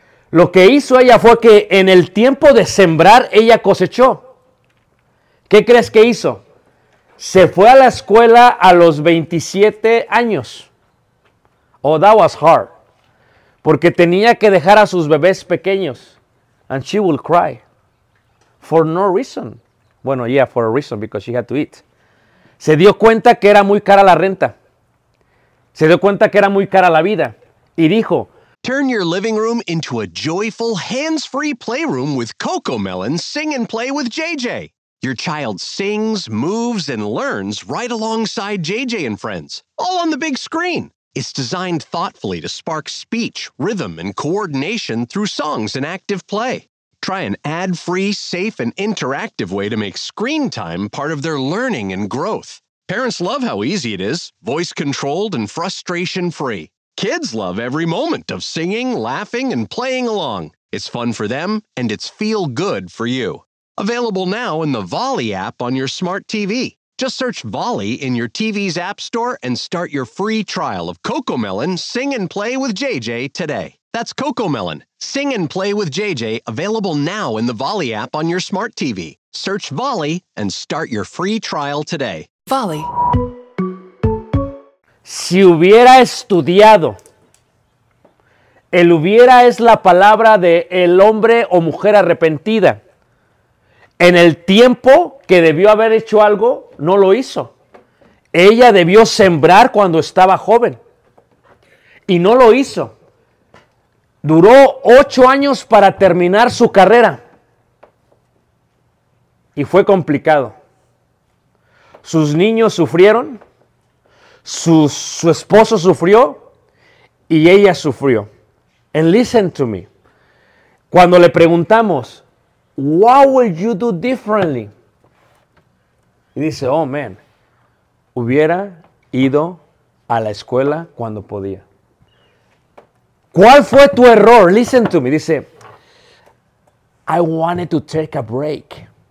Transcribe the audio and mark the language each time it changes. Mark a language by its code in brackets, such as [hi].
[es] Lo que hizo ella fue que en el tiempo de sembrar, ella cosechó. ¿Qué crees que hizo? Se fue a la escuela a los 27 años. [en] Oh, that was hard. [es] Porque tenía que dejar a sus bebés pequeños. [en] And she will cry. For no reason. [es] Bueno, [en] yeah, for a reason, because she had to eat. [es] Se dio cuenta que era muy cara la renta. Se dio cuenta que era muy cara la vida. Y dijo... [en] Turn your living room into a joyful, hands-free playroom with Cocomelon Sing and Play with JJ. Your child sings, moves, and learns right alongside JJ and friends, all on the big screen. It's designed thoughtfully to spark speech, rhythm, and coordination through songs and active play. Try an ad-free, safe, and interactive way to make screen time part of their learning and growth. Parents love how easy it is, voice-controlled and frustration-free. Kids love every moment of singing, laughing, and playing along. It's fun for them, and it's feel good for you. Available now in the Volley app on your smart TV. Just search Volley in your TV's app store and start your free trial of Cocomelon Sing and Play with JJ today. That's Cocomelon Sing and Play with JJ, available now in the Volley app on your smart TV. Search Volley and start your free trial today. Volley. [es] Si hubiera estudiado, el hubiera es la palabra de el hombre o mujer arrepentida. En el tiempo que debió haber hecho algo, no lo hizo. Ella debió sembrar cuando estaba joven y no lo hizo. Duró 8 años para terminar su carrera y fue complicado. Sus niños sufrieron. Su esposo sufrió y ella sufrió. [en] And listen to me. [es] Cuando le preguntamos, [en] what would you do differently? [es] Y dice, [en] oh man, [es] hubiera ido a la escuela cuando podía. ¿Cuál fue tu error? [en] Listen to me. [es] Dice, [en] I wanted to take a break.